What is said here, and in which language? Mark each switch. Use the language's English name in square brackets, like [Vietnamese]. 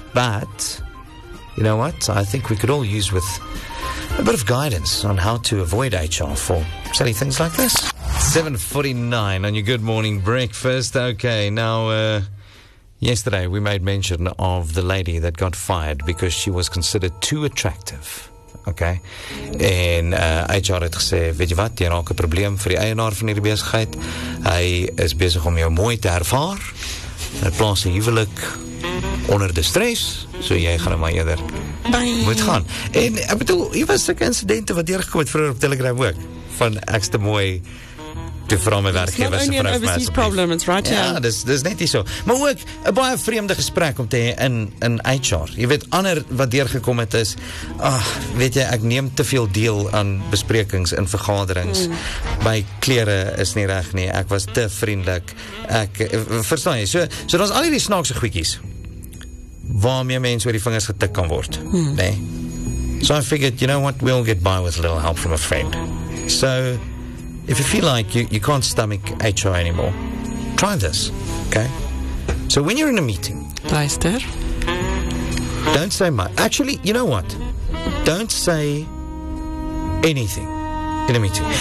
[English] But, you know what, I think we could all use with a bit of guidance on how to avoid HR for silly things like this. 7:49 on your good morning breakfast. Okay, now, yesterday we made mention of the lady that got fired because she was considered too attractive. Okay? [Afrikaans] En HR het gesê, weet jy wat, jy raak 'n probleem vir die eienaar van hierdie besigheid. Hy is besig om jou mooi te ervaar. Hy plaas 'n huwelik onder de stress, so jy gaan hom maar eerder moet gaan. En ek bedoel, hier was sulke incidente wat deurgekom het vroeger op Telegram ook, van ek's te mooi toe vir my werkgewer se vrou. [English] It's not only an problem, it's right, [Afrikaans] yeah. Ja, dis net nie so. Maar ook, 'n baie vreemde gesprek om te hê in HR. Jy weet, ander wat deurgekom het is, weet jy, ek neem te veel deel aan besprekings en vergaderings. Mm. My klere is nie reg nie, ek was te vriendelik. Ek, verstaan jy, so daar's al hierdie snaakse goedjies waarmee mens oor die vingers getik kan word. Mm. Nee? [English] So I figured, you know what, we'll get by with a little help from a friend. So, if you feel like you can't stomach HR anymore, try this, okay? So when you're in a meeting, Leister, don't say much. Actually, you know what? Don't say anything in a meeting.